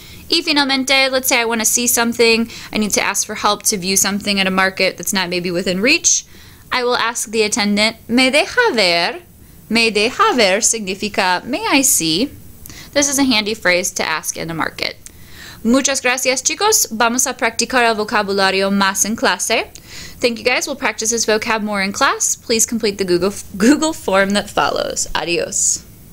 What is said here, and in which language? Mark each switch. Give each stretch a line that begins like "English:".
Spanish: Y finalmente,
English: let's say I want to see something, I need to ask for help to view something at a market that's not maybe within reach, I will ask the attendant,
Spanish: ¿me deja ver? ¿Me deja ver significa,
English: may I see? This is a handy phrase to ask in a market.
Spanish: Muchas gracias, chicos. Vamos a practicar el vocabulario más en clase.
English: Thank you, guys. We'll practice this vocab more in class. Please complete the Google form that follows. Adios.